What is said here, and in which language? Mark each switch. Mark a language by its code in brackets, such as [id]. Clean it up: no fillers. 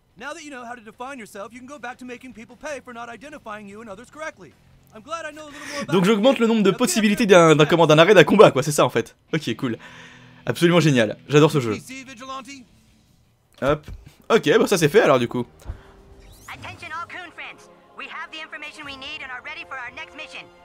[en] Now that you know how to define yourself, you can go back to making people pay for not identifying you and others correctly. I'm glad I know a little more about. [fr] Donc j'augmente le nombre de possibilités d'un arrêt d'un combat quoi, c'est ça en fait. [en] OK, cool. [fr] Absolument génial. J'adore ce jeu. Hop. OK, bon ça c'est fait alors du coup. [en] Attention all Coon friends. We have the information we need and are ready for our next mission.